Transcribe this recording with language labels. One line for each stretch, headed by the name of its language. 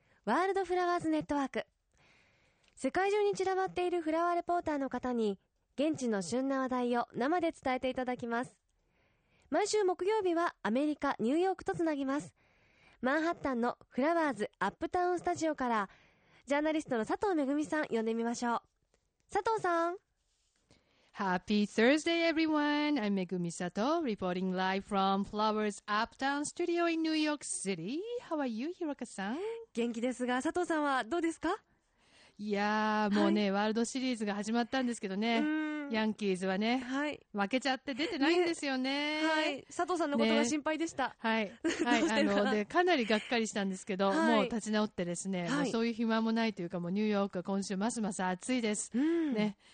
Japanese: ワールドフラワーズネットワーク。世界中に散らばっているフラワーレポーターの方に現地の旬な話題を生で伝えていただきます。毎週木曜日はアメリカ・ニューヨークとつなぎます。マンハッタンのフラワーズアップタウンスタジオからジャーナリストの佐藤恵さん呼んでみましょう。佐藤さん、
English: Happy Thursday, everyone. I'm Megumi Sato, reporting live from Flowers Uptown Studio in New York City. How are you, Hiroka-san?
Japanese: 元気ですが、佐藤さんはどうですか？いやー、もうね、はい、ワールドシリーズが始まったんですけどね。ヤンキーズはね、はい、負けちゃって出てないんですよ ね。はい。佐藤さんのことが心配でした。ね、はい。はい。で、かなりがっかりしたんですけど、はい、もう立ち直ってですね、はい、もうそういう暇もないというか、もうニューヨークは今週ますます暑いです。ね。